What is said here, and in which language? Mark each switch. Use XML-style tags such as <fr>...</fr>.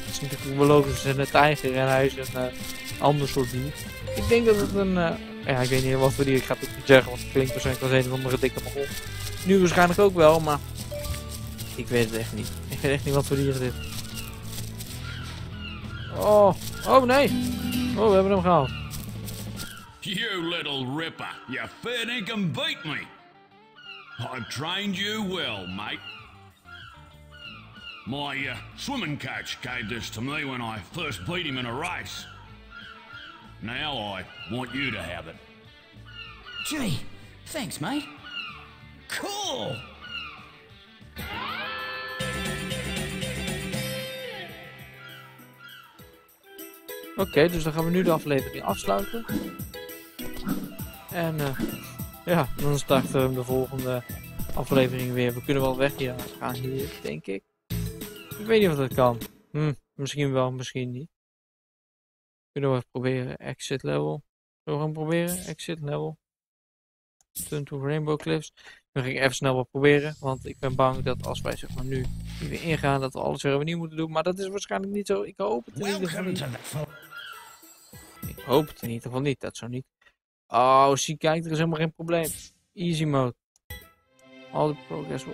<nl>Dat is natuurlijk wel logisch, we zijn een tijger en hij is een ander soort dier. Ik denk dat het een... ja, ik weet niet wat voor die, ik ga het niet zeggen, want het klinkt waarschijnlijk als een of andere dikke begon. Nu waarschijnlijk ook wel, maar ik weet het echt niet. Ik weet echt niet wat voor dier het is. Oh nee. Oh, we hebben hem gehaald.</nl> <en>You little ripper, you fair dinkum beat me. I've trained you well, mate. My swimming coach gave this to me when I first beat him in a race. Now I want you to have it. Gee, thanks, mate. Cool!</en> <nl>Oké, dus dan gaan we nu de aflevering afsluiten. En ja, dan starten we de volgende aflevering weer. We kunnen wel weg hier gaan, hier, denk ik. Ik weet niet of dat kan. Misschien wel, misschien niet. Kunnen we even proberen, exit level. Zullen we gaan proberen, exit level.</nl> <en>Turn to Rainbow Cliffs.</en> <nl>Nu ga ik even snel wat proberen, want ik ben bang dat als wij zeg maar nu hier weer ingaan, dat we alles weer opnieuw moeten doen. Maar dat is waarschijnlijk niet zo. Ik hoop het in ieder geval niet. Dat zou niet. Oh, zie, kijk, er is helemaal geen probleem.</nl> <en>Easy mode. All the progress.</en>